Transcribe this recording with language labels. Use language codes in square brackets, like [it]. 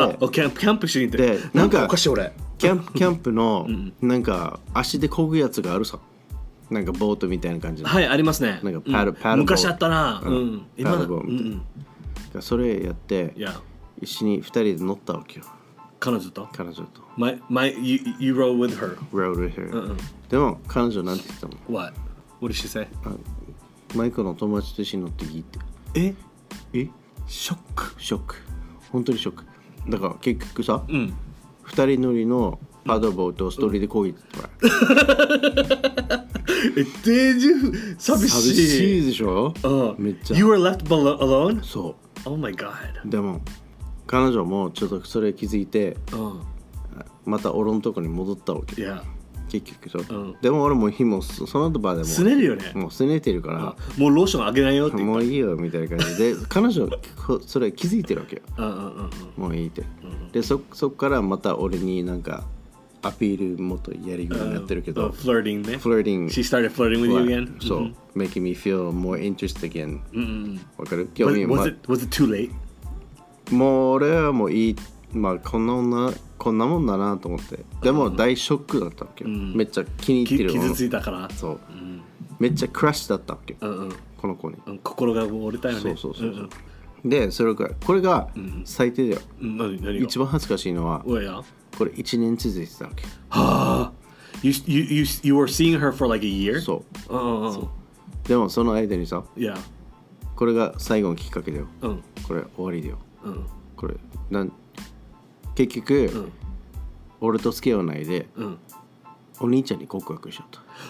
[ja] あ、キャンプしに行って、でなんかおかしい俺キャンプのなんか足で漕ぐやつがあるさ、なんかボートみたいな感じの、はい、ありますね、なんかパドボー、昔あったな、うん、今パドボーみたいな、うんうん、それやって、 [en] yeah. [ja] 一緒に二人で乗ったわけよ、彼女と [en] you rode with her、 rode with her、 [ja] うんうん、でも彼女なんて言ったの、 [en] what? What did she say? [ja] マイクの友達と一緒に乗っていいって、え？え？ショック本当にショック、だから結局さ、二、うん、人乗りのパドボートをストーリーで漕いで、うん、これえ、デージー寂しいでしょ、うん、めっちゃ [en] You were left alone? [ja] そう、 [en] Oh my god、 [ja] でも彼女もちょっとそれ気づいて、うん、また俺のとこに戻ったわけ、 [en] yeah. [ja] 結局そう、うん、でも俺も日もその後場でもすねるよね、もうすねてるから、うん、もうローションあげないよって言った、もういいよみたいな感じで彼女それ気づいてるわけよ、うんうんうん、もういいって、うん、で そっからまた俺になんかアピールもっとやりぐらいになってるけど、フラーティングね、フラーティング、 [en] she started flirting with you again、 [ja] そう、 [en] mm-hmm. making me feel more interested again、 mm-hmm. [ja] わかる？興味、 [en] was it too late？ [ja] もう俺はもういい、まあこんなもんだなと思って、でも大ショックだったわけよ、 mm-hmm. めっちゃ気に入ってる、傷ついたから、そう、 mm-hmm. めっちゃクラッシュだったわけよ、 mm-hmm. この子に、心が折れたよね、そうそうそう、mm-hmm. でそれくらい、これが最低だよ、 mm-hmm. 一番恥ずかしいのは、おや。これ1年続いてたわけ。 [en] はあ、you were seeing her for like a year? [ja] そう。 [en] Oh. [ja] でもその間にさ、 [en] yeah. [ja] これが最後のきっかけだよ。うん、これ終わりだよ、うん、これなん結局、うん、俺と付き合わないで、うん、お兄ちゃんに告白しちゃった。